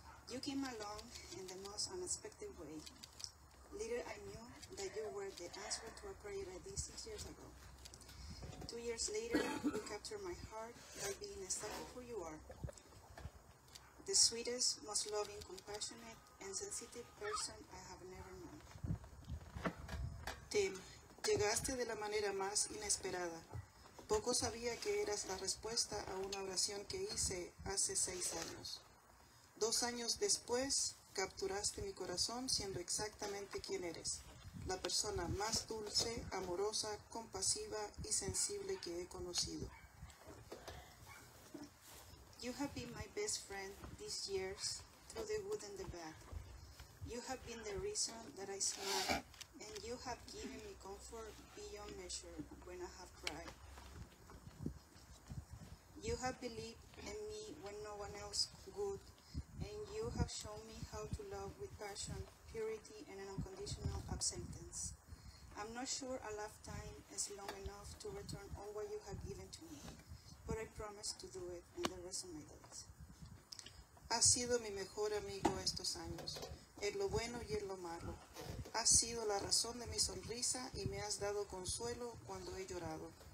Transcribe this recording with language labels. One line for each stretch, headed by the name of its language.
English: You came along in the most unexpected way. Little I knew that you were the answer to a prayer I did 6 years ago. 2 years later, you captured my heart by being exactly who you are. The sweetest, most loving, compassionate, and sensitive person I have never known.
Spanish: Tim, llegaste de la manera más inesperada. Poco sabía que eras la respuesta a una oración que hice hace 6 años. 2 años después, capturaste mi corazón siendo exactamente quien eres, la persona más dulce, amorosa, compasiva, y sensible que he conocido.
English: You have been my best friend these years, through the good and the bad. You have been the reason that I smile, and you have given me comfort beyond measure when I have cried. You have believed in me when no one else could, and you have shown me how to love with passion, purity, and an unconditional acceptance. I'm not sure a lifetime is long enough to return all what you have given to me, but I promise to do it in the rest of my days.
Spanish: Has sido mi mejor amigo estos años, en lo bueno y en lo malo. Has sido la razón de mi sonrisa y me has dado consuelo cuando he llorado.